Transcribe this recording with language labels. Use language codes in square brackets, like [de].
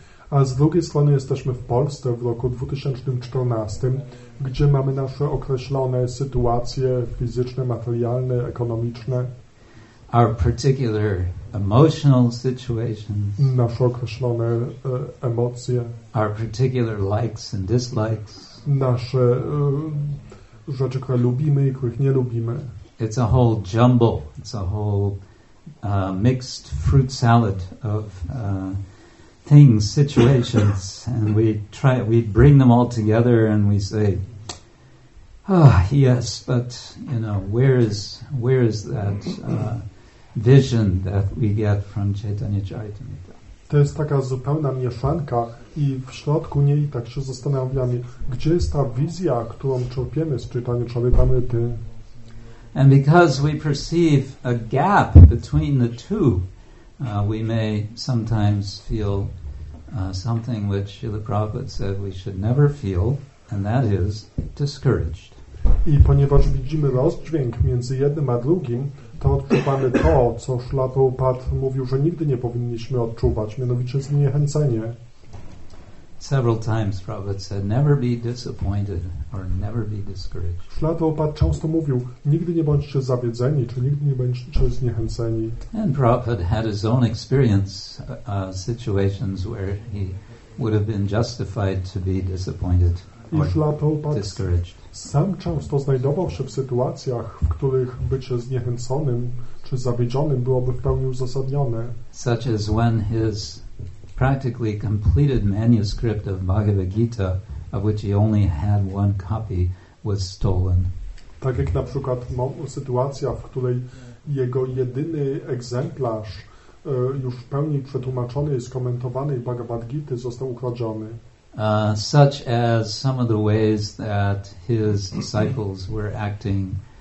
[pl] A z drugiej strony jesteśmy w Polsce w roku 2014, gdzie mamy nasze określone sytuacje fizyczne, materialne, ekonomiczne. [en] Our particular emotional situations. [pl] Nasze określone emocje. [en] Our particular likes and dislikes. [pl] Nasze rzeczy, które lubimy i których nie lubimy. [en] It's a whole jumble. It's a whole mixed fruit salad of things, situations, and we bring them all together and we say, ah, oh, yes, but you know, where is that vision that we get from Chaitanya Charitamrita? [pl] To jest taka zupełna mieszanka i w środku niej tak się zastanawiamy, gdzie jest ta wizja, którą czerpiemy z Chaitanya Charitamrity. [en] And because we perceive a gap between the two, we may sometimes feel something which Srila Prabhupada said we should never feel, and that is discouraged. [pl] I ponieważ widzimy rozdźwięk między jednym a drugim, to odczuwamy to, co Srila Prabhupada mówił, że nigdy nie powinniśmy odczuwać, mianowicie zniechęcenie. [en] Several times Prabhupada said, never be disappointed or never be discouraged. [pl] Srila Prabhupada często mówił, nigdy nie bądźcie zawiedzeni, czy nigdy nie bądźcie zniechęceni. [en] And Prabhupada had his own experience situations where he would have been justified to be disappointed or discouraged. [pl] Sam często znajdował się w sytuacjach, w których bycie zniechęconym czy zawiedzionym byłoby w pełni uzasadnione. [en] Such as when his practically completed manuscript of Bhagavad Gita, of which he only had one copy, was stolen. [pl] Tak jak na przykład sytuacja, w której jego jedyny egzemplarz już w pełni przetłumaczony i skomentowany Bhagavad Gita został ukradziony. [en] Such as some of the ways that his disciples were acting.